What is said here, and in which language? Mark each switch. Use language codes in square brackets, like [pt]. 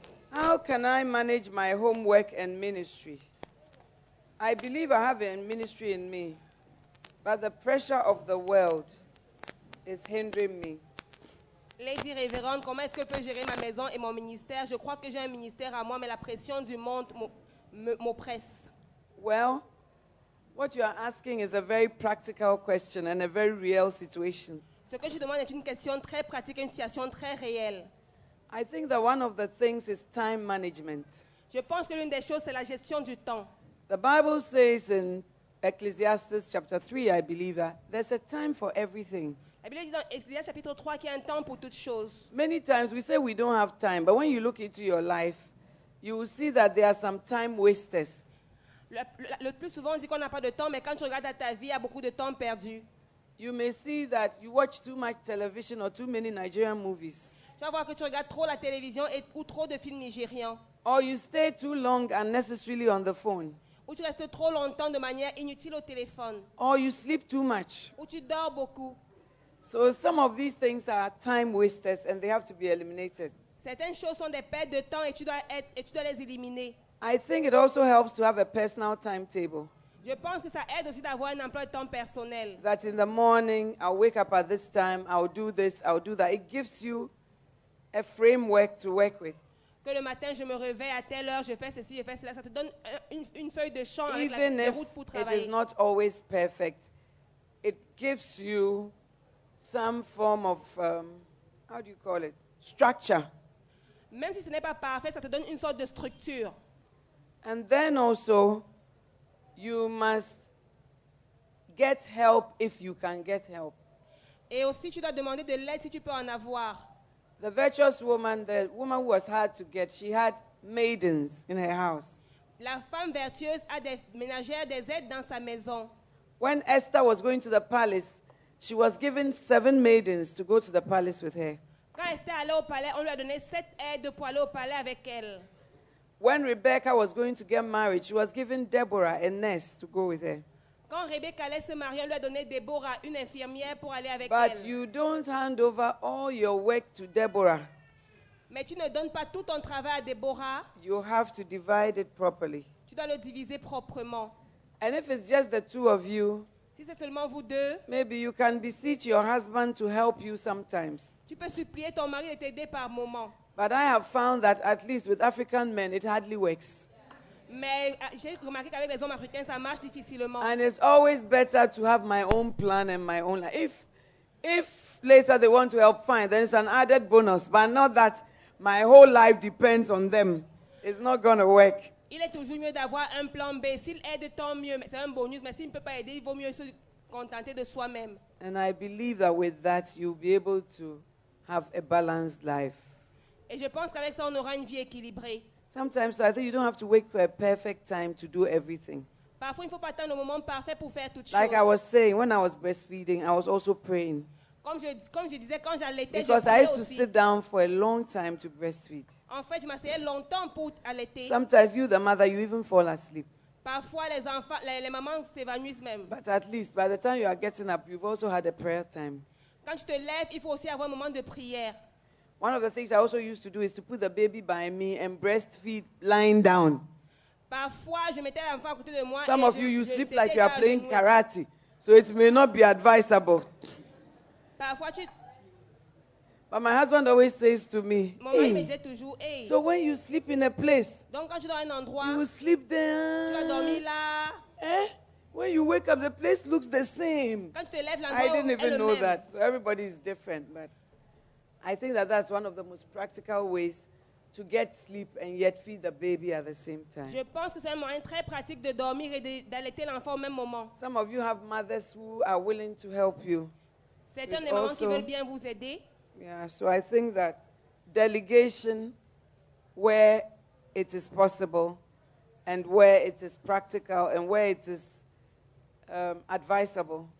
[en] How can I manage my homework and ministry? I believe I have a ministry in me, but the pressure of the world is hindering me. [fr] Lady Reverend, comment est-ce que je peux gérer ma maison et mon ministère? Je crois que j'ai un ministère à moi, mais la pression du monde m'oppresse. [en] Well, what you are asking is a very practical question and a very real situation. [fr] Ce que je demande est une question très pratique, une situation très réelle. [en] I think that one of the things is time management. [fr] Je pense que l'une des choses, c'est la gestion du temps. [en] The Bible says in Ecclesiastes chapter 3, I believe that, there's a time for everything. [fr] La Bible dit dans Ecclesiastes chapitre 3 qu'il y a un temps pour toutes choses. [en] Many times we say we don't have time, but when you look into your life, you will see that there are some time wasters. [fr] Le plus souvent, on dit qu'on n'a pas de temps, mais quand tu regardes à ta vie, il y a beaucoup de temps perdu. [en] You may see that you watch too much television or too many Nigerian movies. [fr] Tu vas voir que tu regardes trop la télévision et, ou trop de films nigériens. [en] Or you stay too long unnecessarily on the phone. [fr] Ou tu restes trop longtemps de manière inutile au téléphone. [en] Or you sleep too much. [fr] Ou tu dors beaucoup. [en] So some of these things are time wasters and they have to be eliminated. [fr] Certaines choses sont des pertes de temps et tu dois les éliminer. [en] I think it also helps to have a personal timetable. [fr] Je pense que ça aide aussi d'avoir un emploi de temps personnel. [en] That in the morning I'll wake up at this time, I'll do this, I'll do that. It gives you a framework to work with. [fr] Que le matin je me réveille à telle heure, je fais ceci, je fais cela. Ça te donne une feuille de champ avec la route pour travailler. [en] Even if it is not always perfect, it gives you some form of how do you call it? Structure. [fr] Même si ce n'est pas parfait, ça te donne une sorte de structure. [en] And then also, you must get help if you can get help. [fr] Et aussi, tu dois demander de l'aide si tu peux en avoir. [en] The virtuous woman, the woman who was hard to get, she had maidens in her house. [fr] La femme vertueuse a des ménagères, des aides dans sa maison. [en] When Esther was going to the palace, she was given 7 maidens to go to the palace with her. [fr] Quand Esther allait au palais, on lui a donné 7 aides pour aller au palais avec elle. [en] When Rebecca was going to get married, she was given Deborah, a nurse, to go with her. [fr] Quand Rebecca allait se marier, on lui a donné Deborah, une infirmière, pour aller avec [en] but [fr] elle. [en] You don't hand over all your work to Deborah. [fr] Mais tu ne donnes pas tout ton travail à Deborah. [en] You have to divide it properly. [fr] Tu dois le diviser proprement. [en] And if it's just the two of you, [fr] si c'est seulement vous deux, [en] maybe you can beseech your husband to help you sometimes. [fr] Tu peux supplier ton mari de t'aider par moment. [en] But I have found that at least with African men, it hardly works. [fr] Mais j'ai remarqué qu'avec les hommes africains, ça marche difficilement. [en] And it's always better to have my own plan and my own life. If later they want to help, fine, then it's an added bonus. But not that My whole life depends on them. It's not going to work. [fr] Il est toujours mieux d'avoir un plan B. S'il aide, tant mieux. C'est un bonus, mais s'il ne peut pas aider, il vaut mieux se contenter de soi-même. [en] And I believe that with that, you'll be able to have a balanced life. [fr] Et je pense qu'avec ça, on aura une vie équilibrée. [en] Sometimes I think you don't have to wait for a perfect time to do everything. [fr] Parfois, il ne faut pas attendre le moment parfait pour faire toutes [en] like [fr] choses. [en] Like I was saying, when I was breastfeeding, I was also praying. [fr] Comme je disais, quand j'allaitais, [en] because [fr] je priais aussi. [en] Because I used to sit down for a long time to breastfeed. [fr] En fait, je m'asseyais longtemps pour allaiter. [en] Sometimes you, the mother, you even fall asleep. [fr] Parfois, les enfants, les mamans s'évanouissent même. [en] But at least, by the time you are getting up, you've also had a prayer time. [fr] Quand tu te lèves, il faut aussi avoir un moment de prière. [en] One of the things I also used to do is to put the baby by me and breastfeed lying down. [fr] Parfois, je mettais l'enfant à côté de moi. [en] Some [fr] et [en] of [fr] je, [en] you, you [fr] je [en] sleep like you are playing karate, so it may not be advisable. [fr] Parfois, tu... [en] But my husband always says to me, [fr] hey. Me disait toujours, hey. [en] So when you sleep in a place, [fr] donc quand tu dors un endroit, [en] you sleep there. [fr] Tu vas dormir là. Eh? [en] When you wake up, the place looks the same. [fr] Quand tu te lèves, l'endroit [en] I didn't even know [fr] même. [en] That. So everybody is different, but. I think that that's one of the most practical ways to get sleep and yet feed the baby at the same time. [fr] Je pense que c'est un moyen très pratique de dormir et d'allaiter l'enfant au même moment. [en] Some of you have mothers who are willing to help you. [fr] Certaines des mamans qui veulent bien vous aider. [en] Yeah, so I think that delegation where it is possible and where it is practical and where it is advisable.